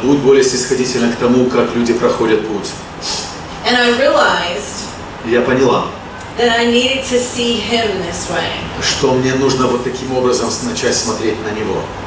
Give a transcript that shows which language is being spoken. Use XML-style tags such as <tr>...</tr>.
<ru>Будь более снисходительна к тому, как люди проходят путь.</ru> <en>And I realized.</en> <ru>Я поняла.</ru> <en>That I needed to see him this way.</en> <ru>Что мне нужно вот таким образом начать смотреть на него.</ru>